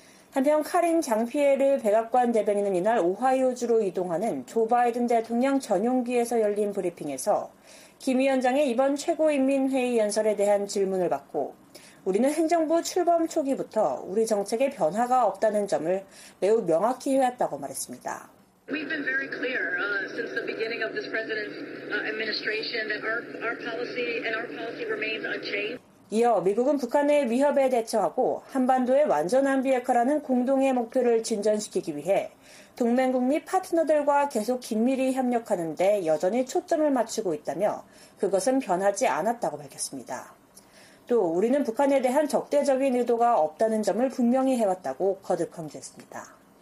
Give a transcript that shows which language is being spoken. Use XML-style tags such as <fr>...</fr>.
<ko>한편 카린 장피에르 백악관 대변인은 이날 오하이오주로 이동하는 조 바이든 대통령 전용기에서 열린 브리핑에서 김 위원장의 이번 최고인민회의 연설에 대한 질문을 받고 우리는 행정부 출범 초기부터 우리 정책에 변화가 없다는 점을 매우 명확히 해왔다고 말했습니다.</ko> <en>We've been very clear since the beginning of this president's administration that our policy and our policy remains unchanged.</en> <ko>이어 미국은 북한의 위협에 대처하고 한반도의 완전한 비핵화라는 공동의 목표를 진전시키기 위해 동맹국 및 파트너들과 계속 긴밀히 협력하는 데 여전히 초점을 맞추고 있다며 그것은 변하지 않았다고 밝혔습니다. 또 우리는 북한에 대한 적대적인 의도가 없다는 점을 분명히 해왔다고 거듭 강조했습니다.</ko>